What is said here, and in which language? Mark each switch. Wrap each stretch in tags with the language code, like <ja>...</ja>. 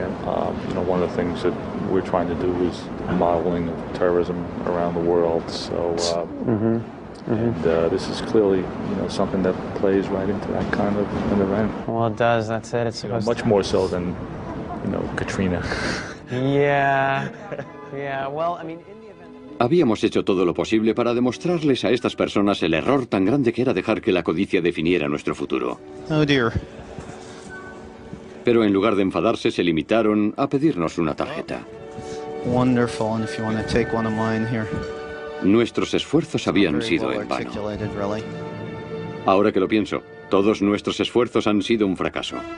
<en>You know, one of the things that we're trying to do is modeling of terrorism around the world. So, and this is clearly, you know, something that plays right into that kind of an event. Well, it does. That's it. It's supposed much more so than, you know, Katrina. Well, I mean.</en> <es>Habíamos hecho todo lo posible para demostrarles a estas personas el error tan grande que era dejar que la codicia definiera nuestro futuro.</es> <en>Oh, dear.</en> <es>Pero en lugar de enfadarse, se limitaron a pedirnos una tarjeta.</es> <en>Wonderful, and if you want to take one of mine here.</en> <es>Nuestros esfuerzos habían sido en vano.</es> <en>Really.</en> <es>Ahora que lo pienso, todos nuestros esfuerzos han sido un fracaso.</es>